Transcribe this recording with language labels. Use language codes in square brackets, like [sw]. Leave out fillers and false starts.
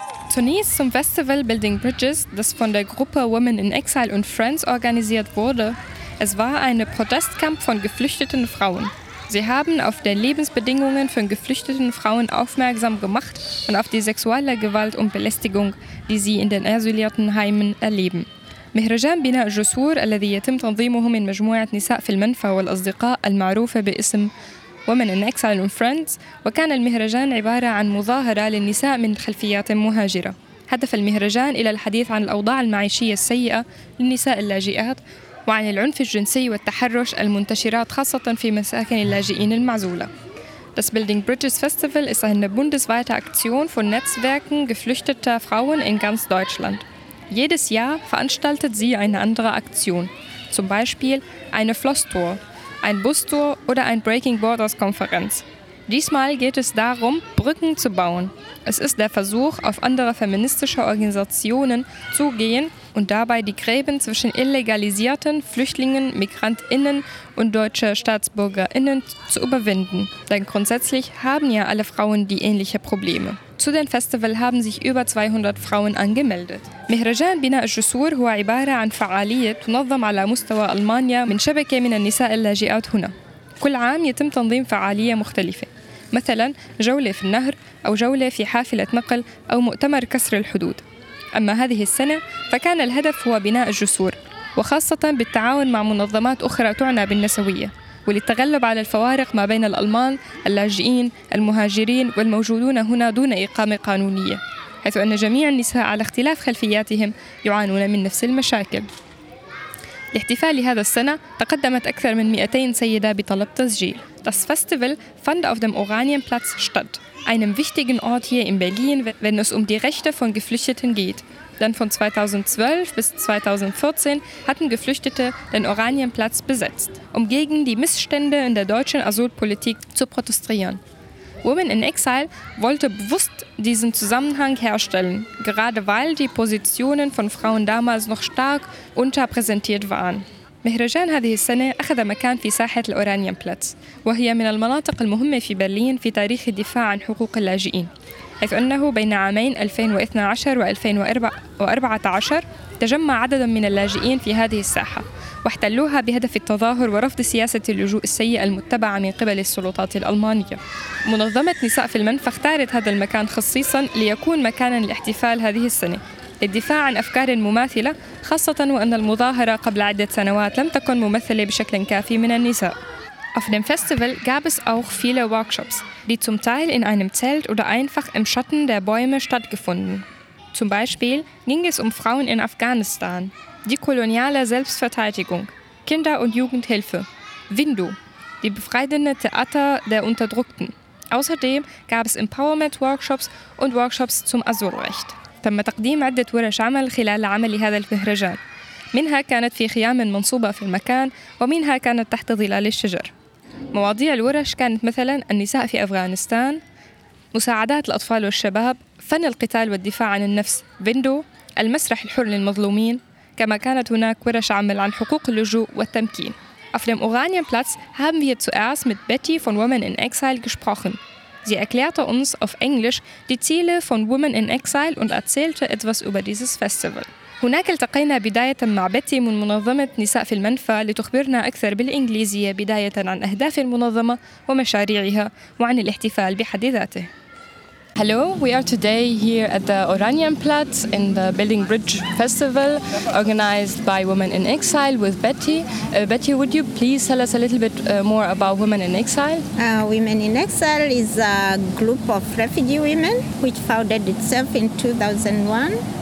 [de] Zunächst zum Festival Building Bridges, das von der Gruppe Women in Exile und Friends organisiert wurde. Es war ein Protestkampf von geflüchteten Frauen. Sie haben auf die Lebensbedingungen von geflüchteten Frauen aufmerksam gemacht und auf die sexuelle Gewalt und Belästigung, die sie in den isolierten Heimen erleben. [ar] مهرجان بناء الجسور الذي يتم تنظيمه من مجموعة نساء في المنفى والأصدقاء المعروفة باسم Women in Exile and Friends, وكان المهرجان عبارة عن مظاهرة للنساء من خلفيات مهاجرة. هدف المهرجان إلى الحديث عن الأوضاع المعيشية السيئة للنساء اللاجئات وعن العنف الجنسي والتحرش المنتشرات خاصة في مساكن اللاجئين المعزولة. [de] Das Building Bridges Festival ist eine bundesweite Aktion von Netzwerken geflüchteter Frauen in ganz Deutschland. Jedes Jahr veranstaltet sie eine andere Aktion, zum Beispiel eine Floss-Tour, ein Bus-Tour oder ein Breaking Borders-Konferenz. Diesmal geht es darum, Brücken zu bauen. Es ist der Versuch, auf andere feministische Organisationen zu gehen und dabei die Gräben zwischen illegalisierten Flüchtlingen, MigrantInnen und deutschen StaatsbürgerInnen zu überwinden. Denn grundsätzlich haben ja alle Frauen die ähnlichen Probleme. Zu dem Festival haben sich über 200 Frauen angemeldet. [ar] مهرجان بناء الجسور هو عبارة عن فعالية تنظم على مستوى ألمانيا من شبكة من النساء اللاجئات هنا. كل عام يتم تنظيم فعالية مختلفة. مثلاً جولة في النهر أو جولة في حافلة نقل أو مؤتمر كسر الحدود. أما هذه السنة فكان الهدف هو بناء الجسور وخاصة بالتعاون مع منظمات أخرى تعنى بالنسوية وللتغلب على الفوارق ما بين الألمان، اللاجئين، المهاجرين والموجودون هنا دون إقامة قانونية حيث أن جميع النساء على اختلاف خلفياتهم يعانون من نفس المشاكل. لاحتفال هذا السنة تقدمت أكثر من 200 سيدة بطلب تسجيل. [de] Das Festival fand auf dem Oranienplatz statt, einem wichtigen Ort hier in Berlin, wenn es um die Rechte von Geflüchteten geht. Denn von 2012 bis 2014 hatten Geflüchtete den Oranienplatz besetzt, um gegen die Missstände in der deutschen Asylpolitik zu protestieren. Women in Exile wollte bewusst diesen Zusammenhang herstellen, gerade weil die Positionen von Frauen damals noch stark unterpräsentiert waren. [ar] مهرجان هذه السنة أخذ مكان في ساحة الأورانيان بلاتس وهي من المناطق المهمة في برلين في تاريخ الدفاع عن حقوق اللاجئين حيث أنه بين عامين 2012 و2014 تجمع عدد من اللاجئين في هذه الساحة واحتلوها بهدف التظاهر ورفض سياسة اللجوء السيئة المتبعة من قبل السلطات الألمانية. منظمة نساء في المنفى اختارت هذا المكان خصيصا ليكون مكانا لاحتفال هذه السنة للدفاع عن أفكار مماثلة خاصة وأن المظاهرة قبل عدة سنوات لم تكن ممثلة بشكل كافي من النساء. [de] Auf dem Festival gab es auch viele Workshops, die zum Teil in einem Zelt oder einfach im Schatten der Bäume stattgefunden. Zum Beispiel ging es um Frauen in Afghanistan, die koloniale Selbstverteidigung, Kinder- und Jugendhilfe, Windu, die befreiende Theater der Unterdrückten. Außerdem gab es Empowerment-Workshops und Workshops zum Asylrecht. [ar] تم تقديم عدة ورش عمل خلال عمل هذا المهرجان منها كانت في خيام منصوبة في المكان ومنها كانت تحت ظلال الشجر مواضيع الورش كانت مثلاً النساء في أفغانستان مساعدات الأطفال والشباب فن القتال والدفاع عن النفس فيندو المسرح الحر للمظلومين كما كانت هناك ورش عمل عن حقوق اللجوء والتمكين [de] Auf dem Oranienplatz haben wir zuerst mit Betty von Women in Exile gesprochen. Sie erklärte uns auf Englisch die Ziele von Women in Exile und erzählte etwas über dieses Festival. [ar] هناك التقينا بداية مع بيتي من منظمة نساء في المنفى لتخبرنا أكثر بالإنجليزية بداية عن أهداف المنظمة ومشاريعها وعن الاحتفال بحد ذاته. [en] Hello, we are today here at the Oranienplatz in the Building Bridge Festival organized by Women in Exile with Betty. Betty, would you please tell us a little bit more about Women in Exile? Women in Exile is a group of refugee women which founded itself in 2001.